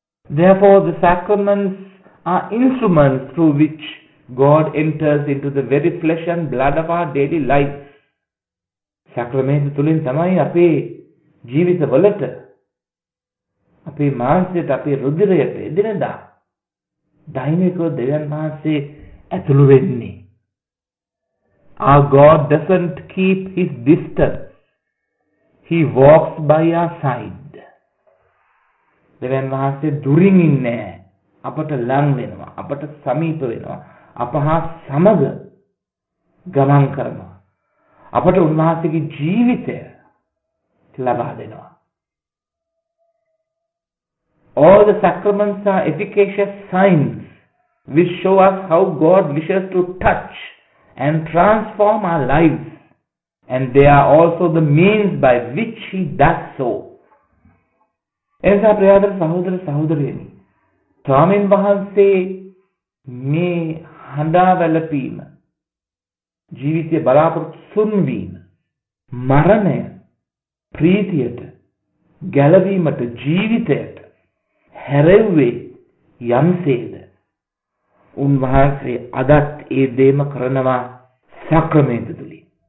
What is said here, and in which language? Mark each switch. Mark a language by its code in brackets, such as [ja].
[en] Therefore, the sacraments are instruments through which God enters into the very flesh and blood of our daily life. [si] සක්‍රමේන්තු තුලින් තමයි අපේ ජීවිතවලට, අපේ මානසයට, අපේ රුධිරයට එදිනදා දෛනිකව දෙවියන් වහන්සේ ඇතුළු වෙන්නේ. [en] Our God doesn't keep his distance. He walks by our side. [si] දෙවියන් වහන්සේ දුරින් ඉන්නේ, අපට ළං වෙනවා, අපට සමීප වෙනවා, අපහා සමග ගමන් කරනවා, අපට උන්වහන්සේගේ ජීවිතය ලබා දෙනවා. [en] All the sacraments are efficacious signs which show us how God wishes to touch and transform our lives, and they are also the means by which He does so. [si] එනිසා ප්‍රියදර සහෝදර සහෝදරියනි, ස්වාමීන් වහන්සේ මේ හඬා වැළපීම, ජීවිතය බලාපොරොත්තු සුන්වීම, මරණය ප්‍රීතියට ගැලවීමට, ජීවිතයට හැරෙව්වේ යම්සේද, උන්වහන්සේ අදත් ඒ දේම කරනවා සක්‍රමේන්තු තුළින්.